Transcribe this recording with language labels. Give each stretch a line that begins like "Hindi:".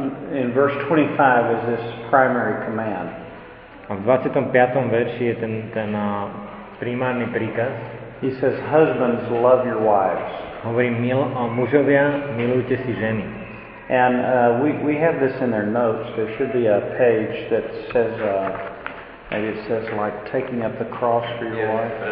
English: In verse 25 is this primary command.
Slovak: A v 25. verši je ten primárny príkaz.
English: He says, husbands, love your wives.
Slovak: Hovorí, mužovia, milujte si ženy.
English: And we have this in their notes. There should be a page that says, maybe it says, like, taking up the cross for your wife.